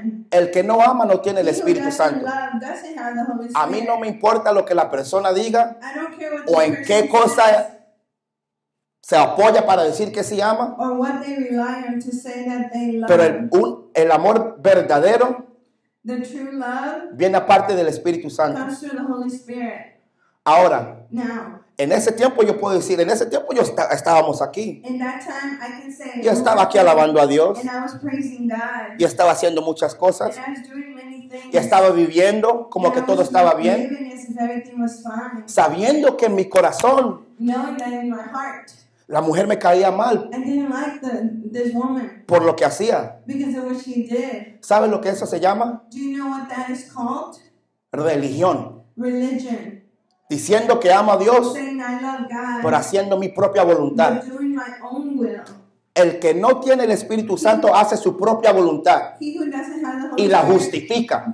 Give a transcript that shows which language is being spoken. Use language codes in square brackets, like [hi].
[es] El que no ama no tiene el Espíritu Santo. A mí no me importa lo que la persona diga o en qué cosa se apoya para decir que sí ama. [en] Or what they rely on to say that they love. [es] Pero el amor verdadero, [en] the true love, [es] viene aparte del Espíritu Santo. [en] Comes through the Holy Spirit. [es] Ahora, [en] now, [es] en ese tiempo yo puedo decir, en ese tiempo yo estábamos aquí. [en] In that time, I can say, [es] yo estaba aquí alabando a Dios. [en] And I was praising God. [es] Y estaba haciendo muchas cosas. [en] And I was doing many things. [es] Y estaba viviendo como [en] and [es] que [en] I [es] todo estaba bien. [en] As if everything was fine. [es] Sabiendo que en mi corazón, [en] knowing that in my heart, [es] la mujer me caía mal. [en] I didn't like this woman. [es] Por lo que hacía. [en] Because of what she did. [es] ¿Sabe lo que eso se llama? [en] Do you know what that is called? [es] Religión. [en] Religion. [es] Diciendo que amo a Dios. [en] Saying I love God. [es] Por haciendo mi propia voluntad. [en] Doing my own will. [es] El que no tiene el Espíritu Santo hace su propia voluntad y la justifica.